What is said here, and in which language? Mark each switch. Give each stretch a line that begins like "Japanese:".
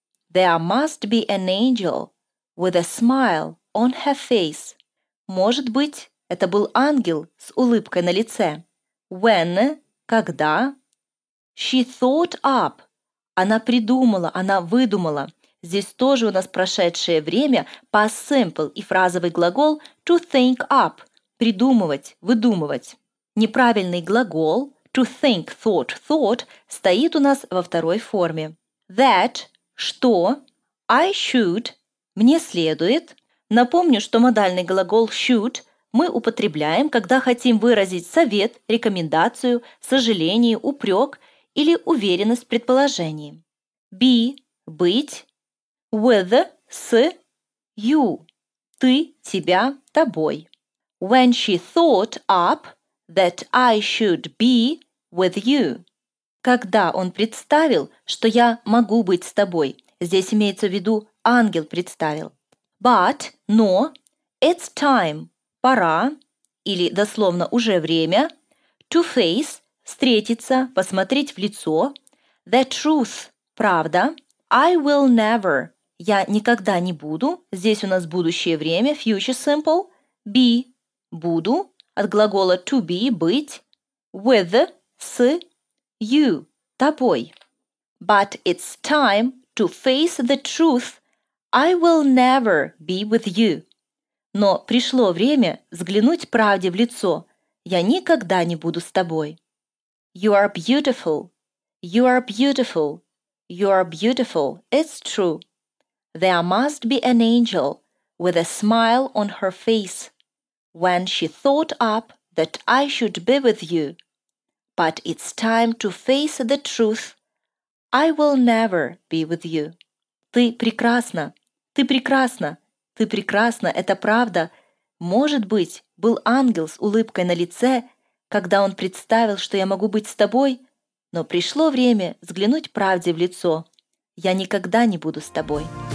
English: There must be an angel with a smile on her face.
Russian: Может быть, это был ангел с улыбкой на лице.
English: When,
Russian: когда.
English: She thought up.
Russian: Она придумала, она выдумала. Здесь тоже у нас прошедшее время, past simple и фразовый глагол to think up. Придумывать, выдумывать. Неправильный глагол to think, thought, thought стоит у нас во второй форме. That, что. I should, мне следует. Напомню, что модальный глагол should мы употребляем, когда хотим выразить совет, рекомендацию, сожаление, упрек или уверенность в предположении. Be – быть. With – с. You – ты, тебя, тобой.
English: When she thought up that I should be with you.
Russian: Когда он представил, что я могу быть с тобой. Здесь имеется в виду ангел представил. But, но,
English: it's time,
Russian: пора, или дословно уже время,
English: to face,
Russian: встретиться, посмотреть в лицо,
English: the truth,
Russian: правда,
English: I will never,
Russian: я никогда не буду, здесь у нас будущее время, future simple, be, буду, от глагола to be, быть, with, с, you, тобой.
English: But it's time to face the truth. I will never be with you.
Russian: Но пришло время взглянуть правде в лицо. Я никогда не буду с тобой.
English: You are beautiful. You are beautiful. You are beautiful. It's true. There must be an angel with a smile on her face when she thought up that I should be with you. But it's time to face the truth. I will never be with you.
Russian: Ты прекрасна. Ты прекрасна, ты прекрасна, это правда. Может быть, был ангел с улыбкой на лице, когда он представил, что я могу быть с тобой, но пришло время взглянуть правде в лицо. Я никогда не буду с тобой.